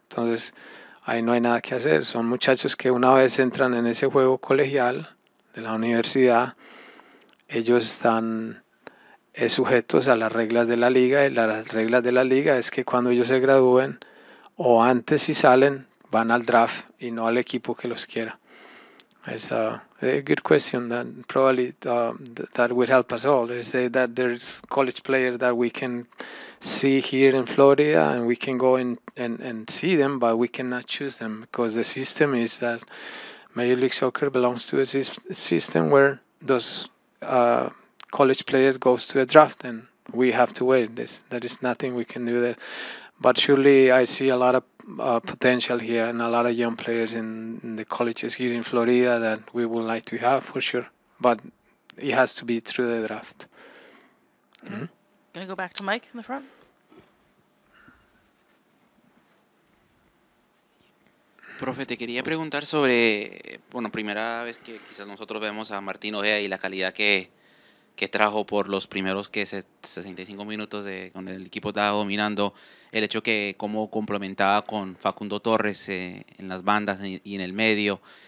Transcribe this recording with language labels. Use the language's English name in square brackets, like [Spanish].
[Spanish] Entonces ahí no hay nada que hacer. Son muchachos que una vez entran en ese juego colegial de la universidad, ellos están sujetos a las reglas de la liga, y las reglas de la liga es que cuando ellos se gradúen o antes si salen, van al draft y no al equipo que los quiera. [English] It's a good question that probably that would help us all. They say that there's college players that we can see here in Florida and we can go and see them, but we cannot choose them because the system is that Major League Soccer belongs to a system where those college players goes to a draft, and we have to win. This, there is nothing we can do there. But surely I see a lot of potential here and a lot of young players in the colleges here in Florida that we would like to have for sure. But it has to be through the draft. Mm-hmm. Gonna go back to Mike in the front. [Spanish] Profe, te quería preguntar sobre, bueno, primera vez que quizás nosotros vemos a Martín Ojeda y la calidad que trajo por los primeros que 65 minutos de, con el equipo estaba dominando, el hecho que cómo complementaba con Facundo Torres en las bandas y en el medio.